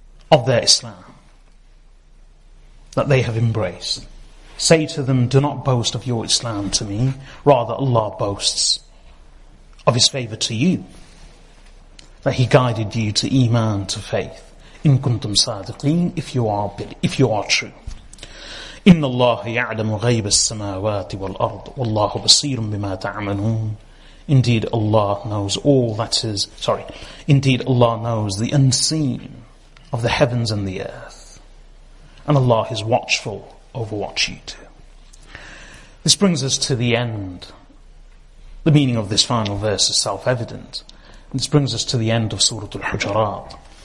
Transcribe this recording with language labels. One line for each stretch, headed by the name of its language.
English: Of their Islam. That they have embraced. Say to them, do not boast of your Islam to me. Rather, Allah boasts of His favor to you. That He guided you to Iman, to faith.
Arabic: إن كنتم صادقين,
English: if you are true.
Arabic: إن الله يعلم غيب السماوات والأرض والله بصير بما تعملون.
English: Indeed Allah knows all that is, sorry, indeed Allah knows the unseen of the heavens and the earth. And Allah is watchful over what you do. This brings us to the end. The meaning of this final verse is self-evident. This brings us to the end of Surah Al-Hujurat.